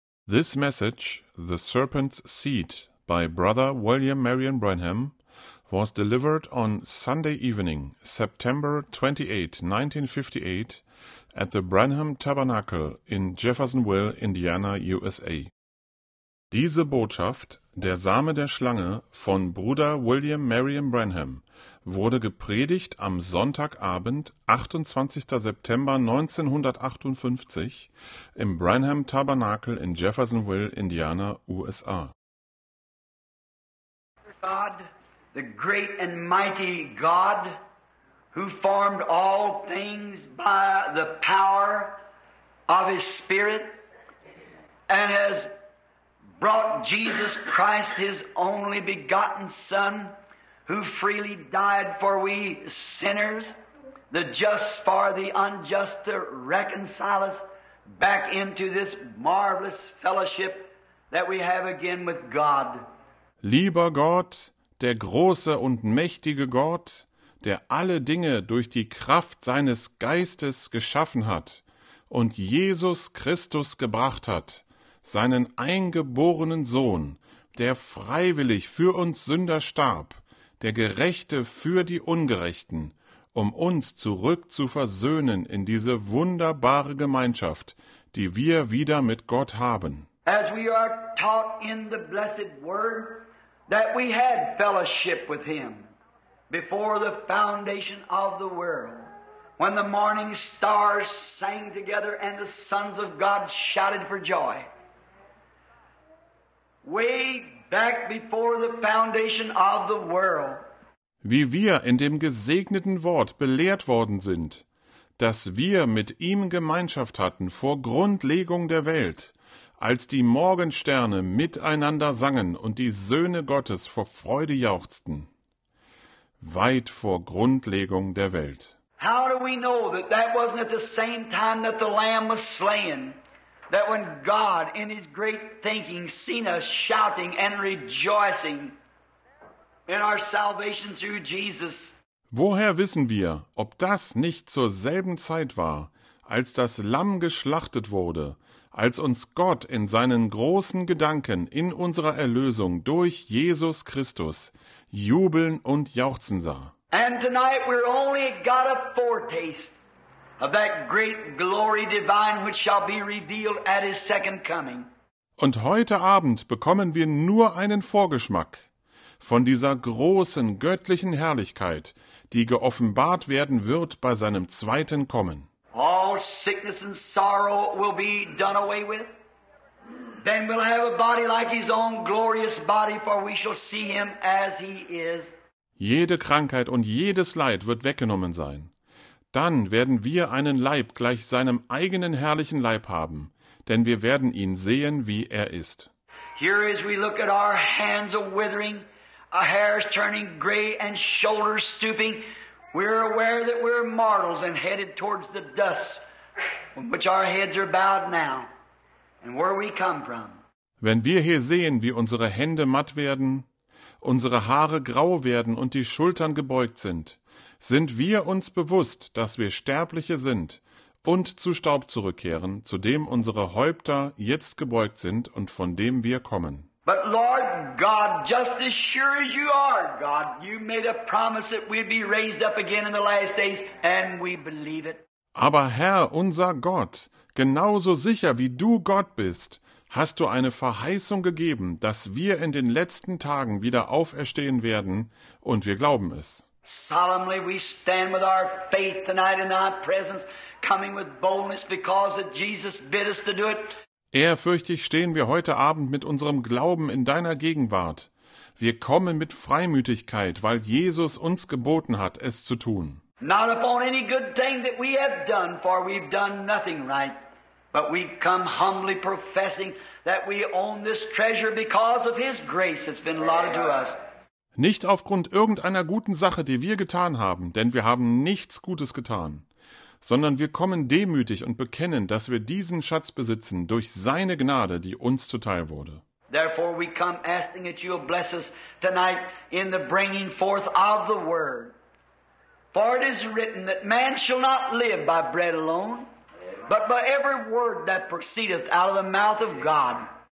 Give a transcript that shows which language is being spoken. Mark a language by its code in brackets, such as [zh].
[en] This message, The Serpent's Seed, by Brother William Marion Branham, was delivered on Sunday evening, September 28, 1958, at the Branham Tabernacle in Jeffersonville, Indiana, USA. [de] Diese Botschaft, Der Same der Schlange, von Bruder William Marion Branham, wurde gepredigt am Sonntagabend, 28. September 1958, im Branham Tabernacle in Jeffersonville, Indiana, USA. [en] God, the great and mighty God, who formed all things by the power of His Spirit, and has brought Jesus Christ, His only begotten Son, who freely died for we sinners, the just for the unjust, to reconcile us back into this marvelous fellowship that we have again with God. [de] Lieber Gott, der große und mächtige Gott, der alle Dinge durch die Kraft seines Geistes geschaffen hat und Jesus Christus gebracht hat, seinen eingeborenen Sohn, der freiwillig für uns Sünder starb, der Gerechte für die Ungerechten, um uns zurück zu versöhnen in diese wunderbare Gemeinschaft, die wir wieder mit Gott haben. [en] As we are taught in the blessed word, that we had fellowship with him before the foundation of the world, when the morning stars sang together and the sons of God shouted for joy. Way back before the foundation of the world. [de] Wie wir in dem gesegneten Wort belehrt worden sind, dass wir mit ihm Gemeinschaft hatten vor Grundlegung der Welt, als die Morgensterne miteinander sangen und die Söhne Gottes vor Freude jauchzten. Weit vor Grundlegung der Welt. [en] How do we know that that wasn't at the same time that the Lamb was slain? That when God, in His great thinking, seen us shouting and rejoicing in our salvation through Jesus. [de] Woher wissen wir, ob das nicht zur selben Zeit war, als das Lamm geschlachtet wurde, als uns Gott in seinen großen Gedanken in unserer Erlösung durch Jesus Christus jubeln und jauchzen sah? [en] And tonight we're only got a foretaste of that great glory divine which shall be revealed at His second coming. [de] Und heute Abend bekommen wir nur einen Vorgeschmack von dieser großen göttlichen Herrlichkeit, die geoffenbart werden wird bei seinem zweiten Kommen. [en] All sickness and sorrow will be done away with. Then we'll have a body like His own glorious body, for we shall see Him as He is. [de] Jede Krankheit und jedes Leid wird weggenommen sein. Dann werden wir einen Leib gleich seinem eigenen herrlichen Leib haben, denn wir werden ihn sehen, wie er ist. [en] Here as we look at our hands are withering, our hairs turning gray and shoulders stooping, we're aware that we're mortals and headed towards the dust, from which our heads are bowed now, and where we come from. [de] Wenn wir hier sehen, wie unsere Hände matt werden, unsere Haare grau werden und die Schultern gebeugt sind, sind wir uns bewusst, dass wir Sterbliche sind und zu Staub zurückkehren, zu dem unsere Häupter jetzt gebeugt sind und von dem wir kommen. [en] But Lord God, just as sure as you are, God, you made a promise that we'd be raised up again in the last days, and we believe it. [de] Aber Herr, unser Gott, genauso sicher wie du Gott bist, hast du eine Verheißung gegeben, dass wir in den letzten Tagen wieder auferstehen werden, und wir glauben es. [en] Solemnly we stand with our faith tonight in thy presence, coming with boldness because of Jesus bid us to do it. [de] Ehrfürchtig stehen wir heute Abend mit unserem Glauben in deiner Gegenwart. Wir kommen mit Freimütigkeit, weil Jesus uns geboten hat, es zu tun. [en] Not upon any good thing that we have done, for we've done nothing right. But we come humbly professing that we own this treasure because of His grace that's been allotted to us. [de] Nicht aufgrund irgendeiner guten Sache, die wir getan haben, denn wir haben nichts Gutes getan, sondern wir kommen demütig und bekennen, dass wir diesen Schatz besitzen durch seine Gnade, die uns zuteil wurde. [en] Therefore we come asking that you'll bless us tonight in the bringing forth of the word. For it is written that man shall not live by bread alone, but by every word that proceedeth out of the mouth of God.